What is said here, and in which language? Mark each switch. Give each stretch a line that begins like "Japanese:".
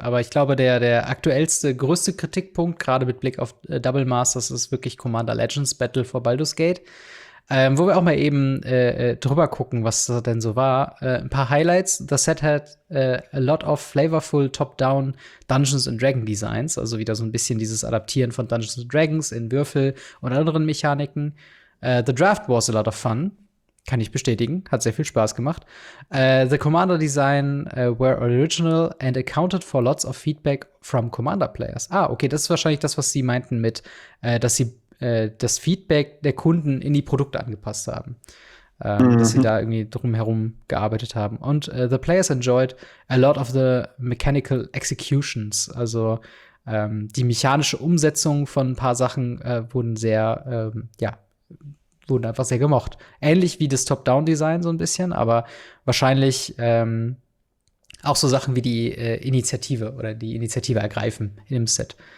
German: Aber ich glaube, der aktuellste, größte Kritikpunkt, gerade mit Blick auf Double Masters, ist wirklich Commander Legends Battle for Baldur's Gate. Wo wir auch mal eben drüber gucken, was da denn so war. Ein paar Highlights. Das Set hat
English: a lot of flavorful top-down
German: Dungeons and Dragons Designs. Also wieder so ein bisschen dieses Adaptieren von Dungeons and Dragons in Würfel und anderen Mechaniken.
English: The draft was a lot of fun.
German: Kann ich bestätigen. Hat sehr viel Spaß gemacht.
English: The Commander Design were original and accounted for lots of feedback from Commander Players.
German: Ah, okay, das ist wahrscheinlich das, was sie meinten mit, dass sie das Feedback der Kunden in die Produkte angepasst haben. Dass sie da irgendwie drumherum gearbeitet haben.
English: Und the players enjoyed a lot of the mechanical executions.
German: Also die mechanische Umsetzung von ein paar Sachen wurden sehr, wurden einfach sehr gemocht. Ähnlich wie das Top-Down-Design so ein bisschen, aber wahrscheinlich auch so Sachen wie die Initiative oder die Initiative ergreifen in dem Set.